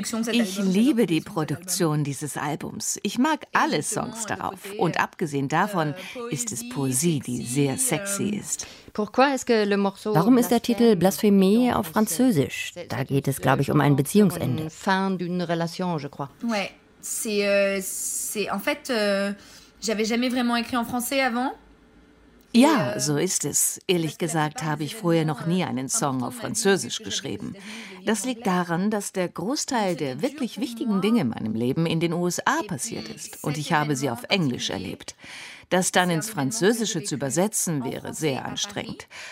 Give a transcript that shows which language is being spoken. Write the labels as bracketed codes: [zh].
[de] Ich liebe die Produktion dieses Albums. Ich mag alle Songs darauf. Und abgesehen davon ist es Poesie, die sehr sexy ist. Warum ist der Titel Blasphémie auf Französisch? Da geht es, glaube ich, um ein Beziehungsende. [fr] Fin d'une relation, je crois. Ouais, c'est en fait. J'avais jamais vraiment écrit en français avant. [de] Ja, so ist es. Ehrlich gesagt habe ich vorher noch nie einen Song auf Französisch geschrieben. Das liegt daran, dass der Großteil der wirklich wichtigen Dinge in meinem Leben in den USA passiert ist und ich habe sie auf Englisch erlebt. Das dann ins Französische zu übersetzen, wäre sehr anstrengend.